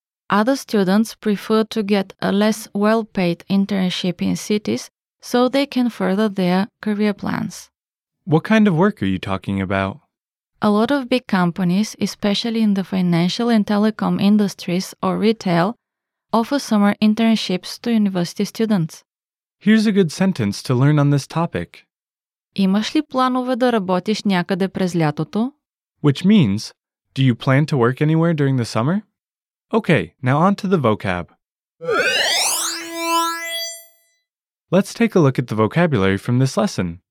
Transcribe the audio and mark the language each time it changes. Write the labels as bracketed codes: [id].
[en] Other students prefer to get a less well-paid internship in cities so they can further their career plans. What kind of work are you talking about? A lot of big companies, especially in the financial and telecom industries or retail, offer summer internships to university students. Here's a good sentence to learn on this topic. [bg] Имаш ли планове да работиш някъде през лятото? [en] Which means, do you plan to work anywhere during the summer? Okay, now on to the vocab. Let's take a look at the vocabulary from this lesson.